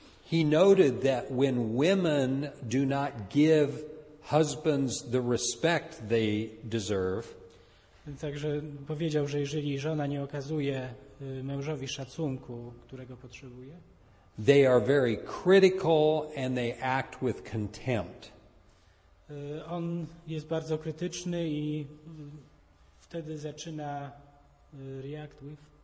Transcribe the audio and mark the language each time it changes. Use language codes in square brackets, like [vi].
[en] He noted that when women do not give husbands the respect they deserve. [pl] Także powiedział, że jeżeli żona nie okazuje mężowi szacunku, którego potrzebuje, [en] they are very critical and they act with contempt. [pl] On jest bardzo krytyczny i wtedy zaczyna [en] react with